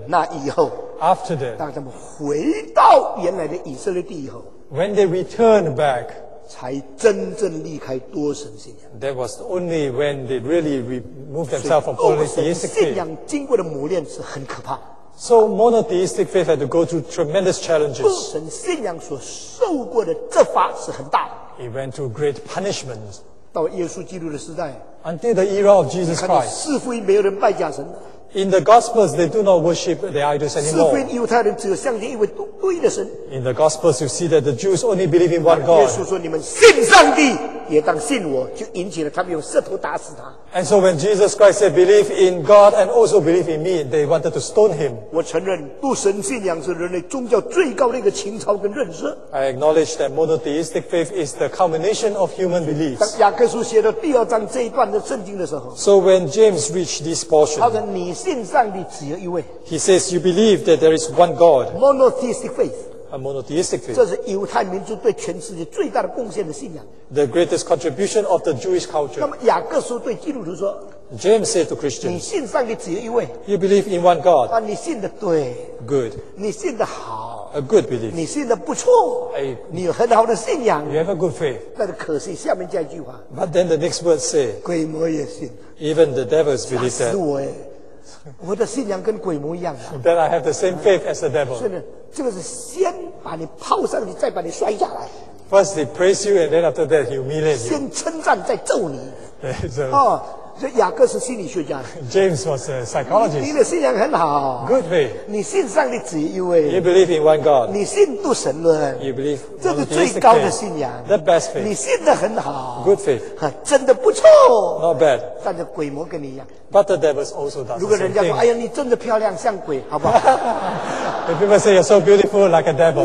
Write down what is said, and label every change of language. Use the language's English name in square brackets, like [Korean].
[Chinese] 那以后 [English] After that, [Chinese] 当他们回到原来的以色列地以后 [English] When they returned back. [Chinese] 才真正离开多神信仰。 [English] That was only when they really removed themselves from polytheistic faith. [Chinese] 多神信仰经过的磨练是很可怕。 [English] So monotheistic faith had to go through tremendous challenges. [Chinese] 多神信仰所受过的责罚是很大的。 [English] It went through great punishments. [Chinese] 到耶稣基督的时代。 [English] Until the era of Jesus Christ. [Chinese] 似乎没有人拜假神。 [English] In the Gospels, they do not worship the idols anymore. [Chinese] 似乎犹太人只有相信一位独一的神。 [English] In the Gospels, you see that the Jews only believe in one God. [Chinese] 耶稣说：“你们信上帝，也当信我。” 就引起了他们用石头打死他。 [English] And so when Jesus Christ said, "Believe in God and also believe in me," they wanted to stone him. [Chinese] 我承认，独神信仰是人类宗教最高的一个情操跟认识。 [English] I acknowledge that monotheistic faith is the culmination of human beliefs. [Chinese] 当雅各书写到第二章这一段的圣经的时候 [English] ，So when James reached this portion, [Chinese] 他说：“你信上帝只有一位。” [English] He says, "You believe that there is one God." Monotheistic faith. A monotheistic faith. [Chinese] 这是犹太民族对全世界最大的贡献的信仰。 [English] The greatest contribution of the Jewish culture. [Chinese] 那么雅各书对基督徒说 [English] ，James said to Christians, [Chinese] 你信上帝只有一位。 [English] You believe in one God. [Chinese] 啊，你信的对。 [English] Good. [Chinese] 你信的好。 [English] A good belief. [Chinese] 你信的不错。你有很好的信仰。 [English] You have a good faith. [Chinese] 但是可惜下面这句话。 [English] But then the next words say, [Chinese] 鬼魔也信。 [English] Even the devils believe that. [Chinese] 吓死我哎！我的信仰跟鬼魔一样啊。 [English] Then I have the same faith as the devil. [Chinese] 是的，这个是先把你抛上去，再把你摔下来。 [English] First he praise you and then after that he humiliate you. [Chinese] 先称赞再揍你。对，是。哦，这雅各是心理学家。 [English] James was a psychologist. [Chinese] 你的信仰很好。 [English] Good way. [Chinese] 你信上帝只有一位。 [English] You believe in one God. [Chinese] 你信独神论。 [English] You believe. [Chinese] 这是最高的信仰。 [English] The best faith. [Chinese] 你信得很好。 [English] Good faith. [Chinese] 真的不错。 [English] Not bad. [Chinese] 但是鬼魔跟你一样。 [English] But the devil also does the same thing. [Chinese] 如果人家说，哎呀，你真的漂亮，像鬼，好不好？ [English] The people say you're so beautiful like a devil.